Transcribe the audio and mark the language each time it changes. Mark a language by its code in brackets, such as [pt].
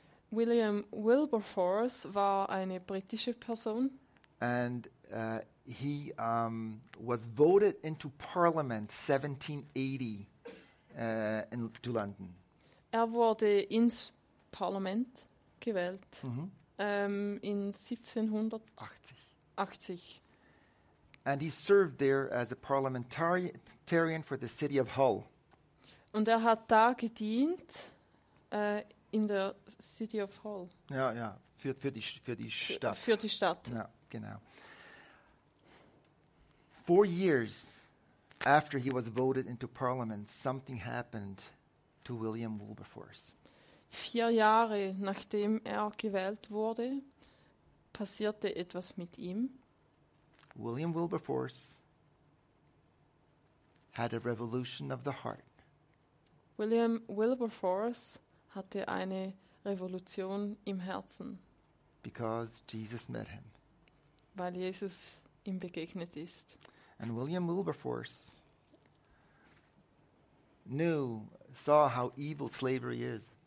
[de] William Wilberforce war eine britische Person. [en] And he was voted into Parliament 1780 into London. [de] Er wurde ins Parlament gewählt. [en] Mm-hmm. In 1780. And he served there as a parliamentarian for the city of Hull. [de] Und hat da gedient in der [en] city of Hull. [de] Ja, für die Stadt. Für die Stadt. Ja, genau. [en] 4 years after he was voted into parliament, something happened to William Wilberforce. [de] 4 Jahre nachdem er gewählt wurde, passierte etwas mit ihm. [en] William Wilberforce had a revolution of the heart. [de] William Wilberforce hatte eine Revolution im Herzen. [en] Because Jesus met him. [de] Weil Jesus ihm begegnet ist. [en] And William Wilberforce saw how evil slavery is.